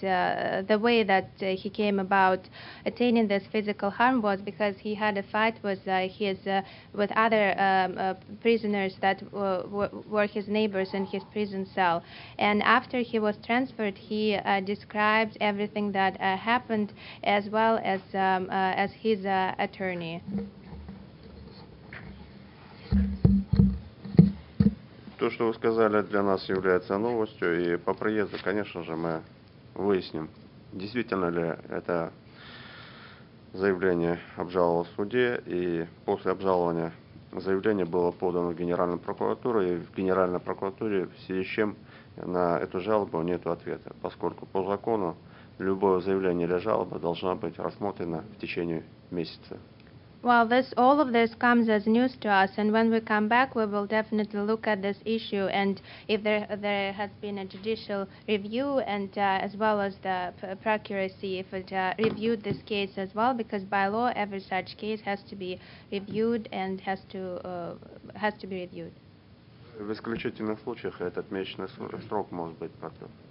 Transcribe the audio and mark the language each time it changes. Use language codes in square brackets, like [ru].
[en] The way that he came about attaining this physical harm was because he had a fight with other prisoners that were his neighbors in his prison cell. And after he was transferred, he described everything that happened, as well as his attorney. [ru] То, что вы сказали, для нас является новостью, и по приезду, конечно же, мы выясним, действительно ли это заявление обжаловало в суде, и после обжалования заявление было подано в Генеральную прокуратуру, и в Генеральной прокуратуре в связи с чем на эту жалобу нет ответа, поскольку по закону любое заявление или жалоба должна быть рассмотрена в течение месяца. [en] Well, all of this comes as news to us, and when we come back, we will definitely look at this issue, and if there has been a judicial review, and as well as the procuracy, if it reviewed this case as well, because by law, every such case has to be reviewed and has to be reviewed. [ru] В исключительных случаях этот месячный срок может быть продлен.